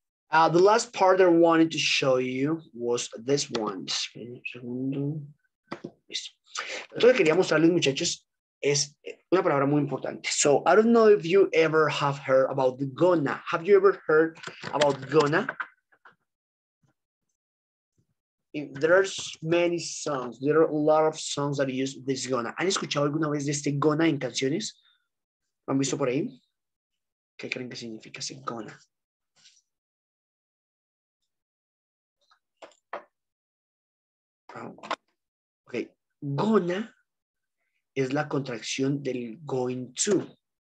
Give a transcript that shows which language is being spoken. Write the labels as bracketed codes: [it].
[en] The last part that I wanted to show you was this one. [es] Entonces quería mostrarles, muchachos, es una palabra muy importante. [en] So I don't know if you ever have heard about the gonna. Have you ever heard about gonna? There's many songs. There are a lot of songs that use this gonna. [es] ¿Han escuchado alguna vez de este gonna en canciones? ¿Lo han visto por ahí? ¿Qué creen que significa ese gonna? Okay. Gonna es la contracción del going to.